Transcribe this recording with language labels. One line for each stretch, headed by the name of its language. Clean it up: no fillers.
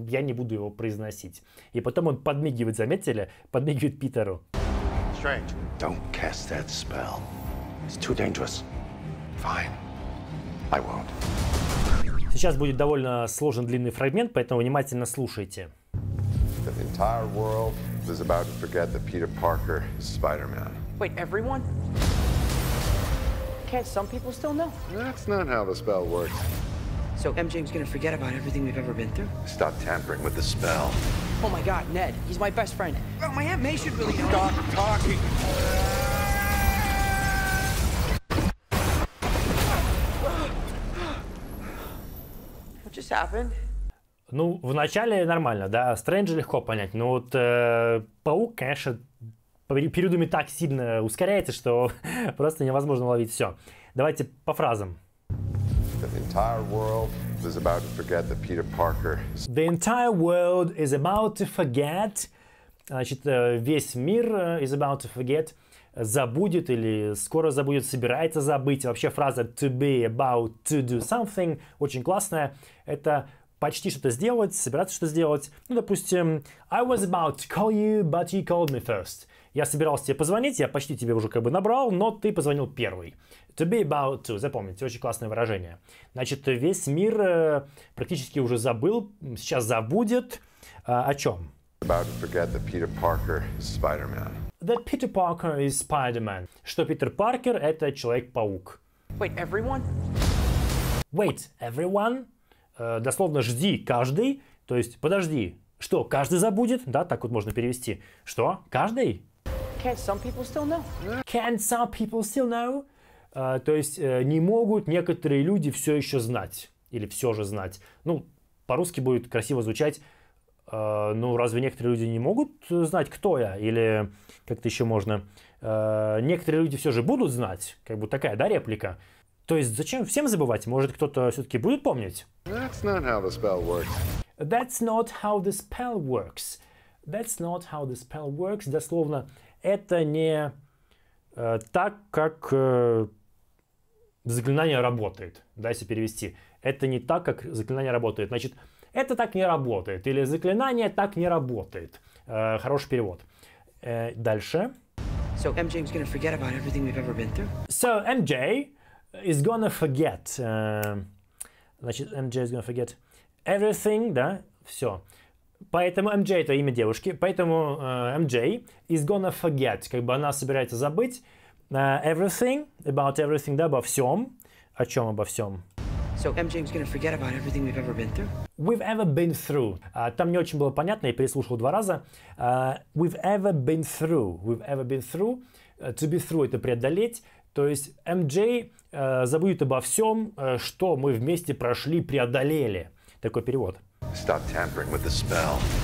Russian: Я не буду его произносить. И потом он подмигивает, заметили? Подмигивает Питеру.
English: Strange. Don't cast that spell. It's too dangerous. Fine. I won't.
Russian: Сейчас будет довольно сложен длинный фрагмент, поэтому внимательно слушайте.
English: The entire world is about to forget that Peter Parker is Spider-Man. Wait, everyone? Can't some people still know? That's not how the spell works. So MJ's gonna forget about everything we've ever been through? Stop tampering with the spell. Oh my god, Ned, he's my best friend. Well, my Aunt May should really know. Stop talking! What just happened?
Russian: Ну, в начале нормально, да, Стрэнджа легко понять, но вот паук, конечно, периодами так сильно ускоряется, что просто невозможно уловить все. Давайте по фразам.
English: The entire world is about to forget that Peter Parker. The entire world is about to forget.
Russian: Значит, весь мир
English: is about to forget.
Russian: Забудет или скоро забудет, собирается забыть. Вообще фраза
English: to be about to do something
Russian: очень классная. Это почти что-то сделать, собираться что-то сделать. Ну, допустим,
English: I was about to call you, but you called me first.
Russian: Я собирался тебе позвонить, я почти тебе уже как бы набрал, но ты позвонил первый.
English: To be about to,
Russian: запомните, очень классное выражение. Значит, весь мир практически уже забыл, сейчас забудет. О чем?
English: About to forget that Peter Parker is Spider-Man. That Peter Parker is Spider-Man.
Russian: Что Питер Паркер — это Человек-паук.
English: Wait, everyone? Wait, everyone?
Russian: Дословно «жди каждый», то есть «подожди». Что, каждый забудет? Да, так вот можно перевести. Что, каждый?
English: Can't some people still know? Can't some people still know?
Russian: То есть не могут некоторые люди все еще знать. Или все же знать. Ну, по-русски будет красиво звучать. Ну, разве некоторые люди не могут знать, кто я? Или как-то еще можно. Некоторые люди все же будут знать. Как бы такая, да, реплика? То есть зачем всем забывать? Может, кто-то все-таки будет помнить?
English: That's not how the spell works. That's not how the spell works. That's not how the spell works.
Russian: Дословно, это не так, как заклинание работает. Да, если перевести. Это не так, как заклинание работает. Значит, это так не работает. Или заклинание так не работает. Хороший перевод. Дальше.
English: So MJ is gonna forget about everything we've ever been through? So MJ is gonna forget.
Russian: Значит,
English: MJ is gonna forget everything,
Russian: да? Все. Поэтому MJ — это имя девушки. Поэтому MJ
English: is gonna forget.
Russian: Как бы она собирается забыть
English: everything, about everything,
Russian: да, обо всем. О чем обо всем?
English: So MJ is gonna forget about everything we've ever been through? We've ever been through.
Russian: Там не очень было понятно, я переслушал два раза.
English: We've ever been through. We've ever been through. To be through
Russian: — это преодолеть. То есть MJ забудет обо всем, что мы вместе прошли, преодолели. Такой перевод.
English: Stop tampering with the spell.